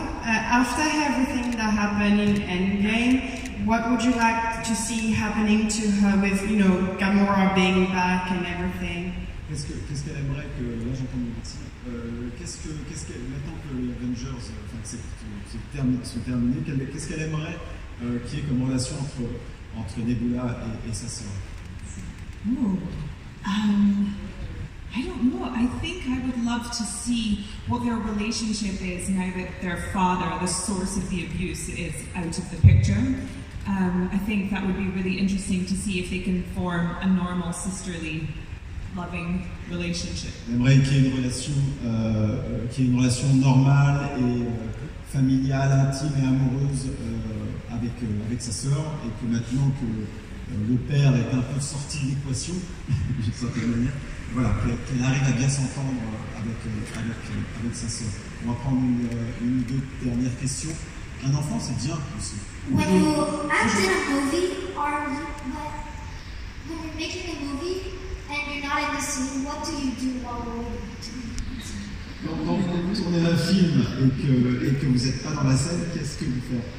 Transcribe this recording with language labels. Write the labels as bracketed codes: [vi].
[en] After everything that happened in Endgame, what would you like to see happening to her with, you know, Gamora being back and everything? [fr] Qu'est-ce qu'elle aimerait que là j'entende mon petit. Maintenant que les Avengers, sont terminés, qu'est-ce qu'elle aimerait qu'il y ait comme relation entre Nebula et sa sœur? [en] I don't know. I think I would love to see what their relationship is now that their father, the source of the abuse, is out of the picture. I think that would be really interesting to see if they can form a normal sisterly. Loving relationship. [fr] J'aimerais qu'il y ait une relation normale et familiale, intime et amoureuse avec sa sœur, et que maintenant que le père est un peu sorti de l'équation, d'une certaine manière, voilà, qu'elle arrive à bien s'entendre avec sa sœur. On va prendre une ou deux dernières questions. Un enfant, c'est bien aussi. [en] After the movie, and you're not in the scene, what do you do while we're waiting? [fr] Quand vous tournez un film et que vous n'êtes pas dans la scène, qu'est-ce que vous faites?